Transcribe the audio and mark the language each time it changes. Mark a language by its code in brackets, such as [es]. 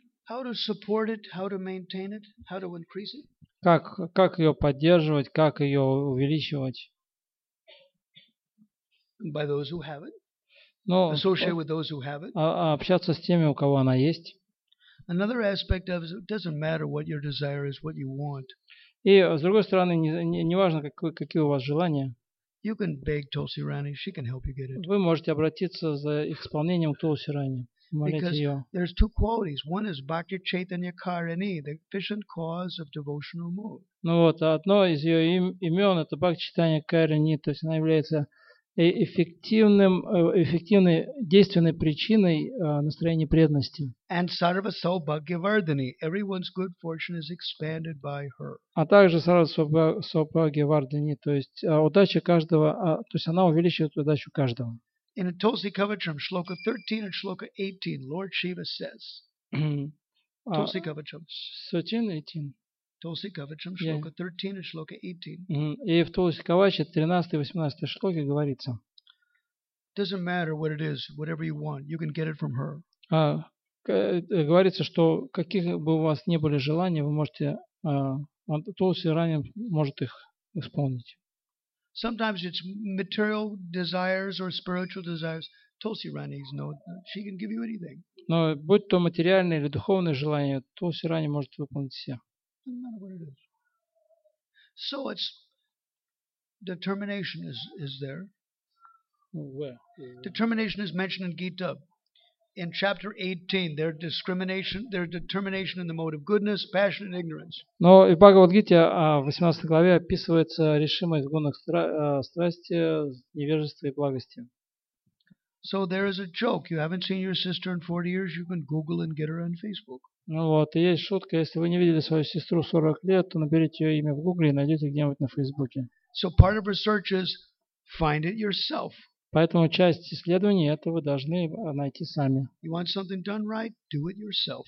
[en] How to support it, how to maintain it, how to increase it? [ru] Как ее поддерживать, как ее увеличивать? [en] By those who have it. [ru] Но [en] associate with those who have it. [ru] Общаться с теми, у кого она есть. [en] Another aspect of it doesn't matter what your desire is, what you want. [ru] И с другой стороны, не важно, какие у вас желания. [en] You can beg Tulsi Rani, she can help you get it. [ru] Вы можете обратиться за их исполнением к Тулси Рани, молить ее. [en] There's two qualities. One is Bhakti Chaitanya Karani, the efficient cause of devotional mood. [ru] Ну вот, одно из ее имен это Бхакти Чайтанья Карани, то есть она является эффективной действенной причиной настроения преданности. [en] And Sarva Sau Bhagya Vardhani, everyone's good fortune is expanded by her. [ru] А также Sarva Sau Bhagya Vardhani, то есть удача каждого, то есть она увеличивает удачу каждого. [en] In a Tulsi Kavacham, Shloka 13 and Shloka 18, Lord Shiva says. Tulsi Kavacham. 18. Tulsi Kavacham, Shloka 13 and Shloka 18. [ru] И в Тулси Кавача 13 и 18 шлоки говорится. [en] Doesn't matter what it is, whatever you want, you can get it from her. [ru] Говорится, что каких бы у вас ни были желания, вы можете, Тулси Рани может их исполнить. [en] Sometimes it's material desires or spiritual desires. Tulsi Rani knows, she can give you anything. [ru] Но будь то материальные или духовные желания, Тулси Рани может выполнить все. [en] So it's determination is there. Where? Determination is mentioned in Gita. In chapter 18, their determination in the mode of goodness, passion and ignorance. [ru] Но и в Бхагавад-гите, в 18 главе, описывается решимость в гунах страсти, невежества и благости. [en] So there is a joke. You haven't seen your sister in 40 years, you can Google and get her on Facebook. [ru] Ну вот, и есть шутка, если вы не видели свою сестру 40 лет, то наберите ее имя в Гугле и найдете где-нибудь на Фейсбуке. [en] So part of research is find it yourself. [ru] Поэтому часть исследования это вы должны найти сами. [en] You want something done right, do it yourself.